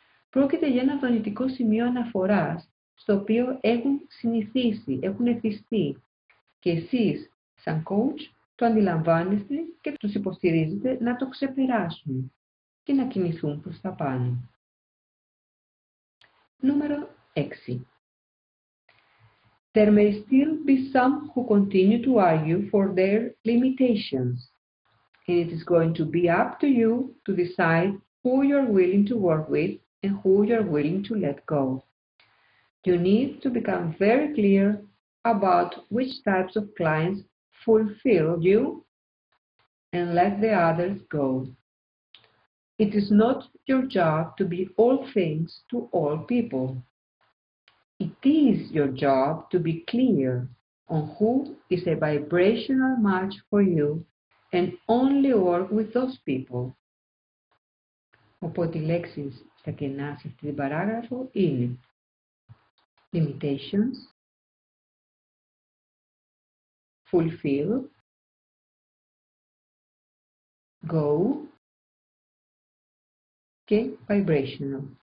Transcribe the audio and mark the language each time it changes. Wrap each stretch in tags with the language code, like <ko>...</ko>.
<el>Πρόκειται για ένα δονητικό σημείο αναφοράς στο οποίο έχουν συνηθίσει, έχουν εθιστεί και εσείς, σαν coach, το αντιλαμβάνεστε και τους υποστηρίζετε να το ξεπεράσουν και να κινηθούν προς τα πάνω. Νούμερο 6.</el> <en>There may still be some who continue to argue for their limitations, and it is going to be up to you to decide who you're willing to work with and who you're willing to let go. You need to become very clear about which types of clients fulfill you and let the others go. It is not your job to be all things to all people. It is your job to be clear on who is a vibrational match for you and only work with those people.</en> <el>Οπότε οι λέξεις στα κενά σε αυτή την παράγραφο είναι limitations, fulfill, go και vibrational.</el>